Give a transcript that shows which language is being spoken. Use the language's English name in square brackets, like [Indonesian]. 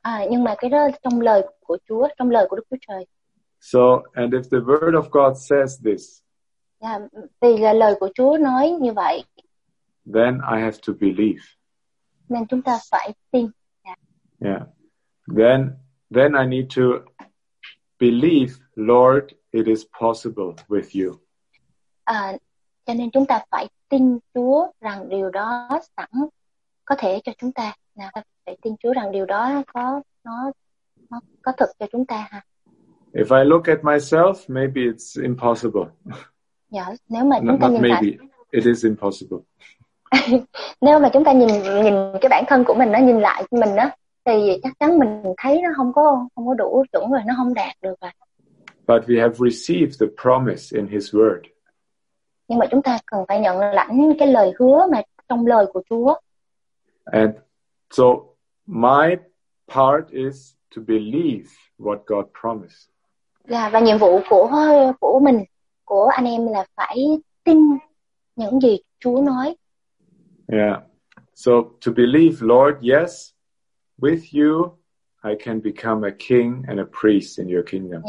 [Vietnamese] Nhưng mà cái đó trong lời của Chúa, trong lời của Đức Chúa Trời. [English] So, and if the Word of God says this, [Vietnamese] vì là lời của Chúa nói như vậy, [English] then I have to believe. [Vietnamese] Nên chúng ta phải tin. [English] Yeah. Then I need to believe, Lord, it is possible with you. [Vietnamese] Cho nên chúng ta phải tin Chúa rằng điều đó sẵn có thể cho chúng ta. Nào, phải tin Chúa rằng điều đó nó có thực cho chúng ta ha. [English] If I look at myself, maybe it's impossible. [Vietnamese] Nếu mà chúng ta nhìn [English] maybe, it is impossible. [Vietnamese] Nếu mà chúng ta nhìn cái bản thân của mình nó nhìn lại mình đó, thì chắc chắn mình thấy nó không có đủ chuẩn rồi, nó không đạt được rồi. [English] But we have received the promise in His Word. [Vietnamese] Nhưng mà chúng ta cần phải nhận lãnh cái lời hứa mà trong lời của Chúa. [English] And so my part is to believe what God promised. [Vietnamese] Yeah, và nhiệm vụ của mình, của anh em là phải tin những gì Chúa nói. [English] Yeah. So to believe, Lord, yes, with you I can become a king and a priest in your kingdom.